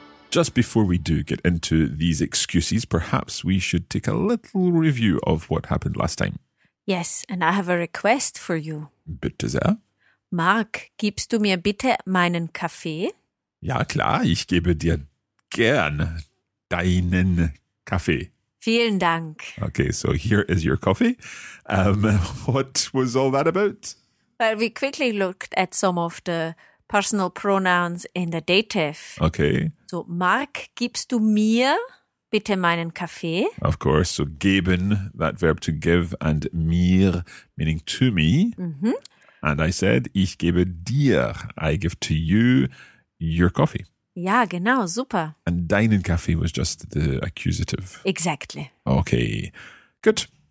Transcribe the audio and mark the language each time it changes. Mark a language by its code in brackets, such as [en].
[en] Just before we do get into these excuses, perhaps we should take a little review of what happened last time. Yes, and I have a request for you. [de] Bitte sehr. Marc, gibst du mir bitte meinen Kaffee? Ja, klar, ich gebe dir gern deinen Kaffee. Vielen Dank. [en] Okay, so here is your coffee. What was all that about? Well, we quickly looked at some of the personal pronouns in the dative. Okay. [de] So, Marc, gibst du mir bitte meinen Kaffee? [en] Of course. So, geben, that verb to give, and mir, meaning to me. Mm-hmm. And I said, [de] ich gebe dir, [en] I give to you, your coffee. [de] Ja, genau, super. [en] And [de] deinen Kaffee [en] was just the accusative. Exactly. Okay, good.